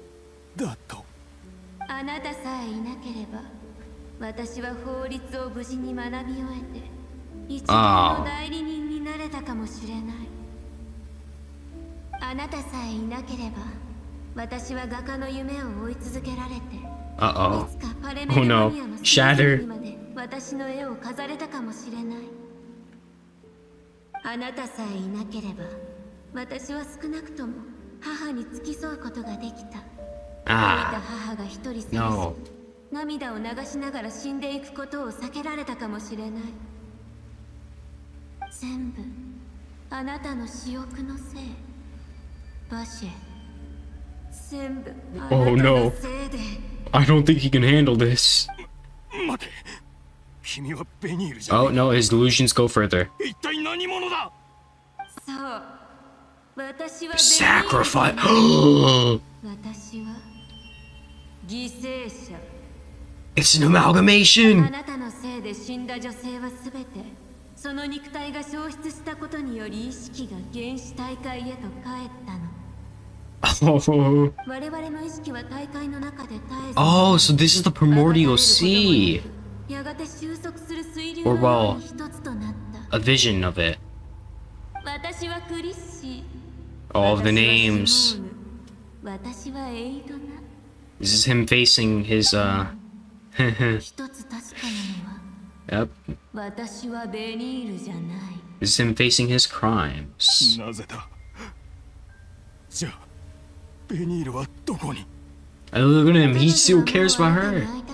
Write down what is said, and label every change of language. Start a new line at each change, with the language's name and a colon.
English: If you weren't here, I would have learned the law properly.
Japanese: 一度の代理人になれたかもしれない。あなたさえいなければ、私は画家の夢を追い続けられて、いつかパレメルマニアのシャドーまで私の絵を飾れたかもしれない。あなたさえいなければ、私は少なくとも母に付き添うことができた。ああ、母が一人寂しく、涙を流しながら死んでいくことを避けられたかもしれない。全部あなたの私欲のせい、バシェ。全部あなたのせいで。
English: Oh no! I don't think he can handle this.
Japanese: 待て、君はベニールじゃない。
English: Oh no! His delusions go further.
Japanese: 一体何者だ？そう、私はベニールじゃない。私は犠牲者。
English: It's an amalgamation.
Japanese: あなたのせいで死んだ女性はすべて。その肉体が消失したことにより意識が原始大海へと帰ったの。我々の意識は大海の中で絶えず。
English: Oh, so this is the primordial sea.
Japanese: やがて収束する水流の一つとなった。
English: A vision of it.
Japanese: 私はクリッシ
English: ー。 All of the names.
Japanese: 私はエイドナ。
English: This is him facing his
Japanese: 一つ確かなのは。
English: Yep. This is him facing his crimes.
Japanese: なぜだ？じゃあ、ベニールはどこに？
English: I look at him. He still cares about her.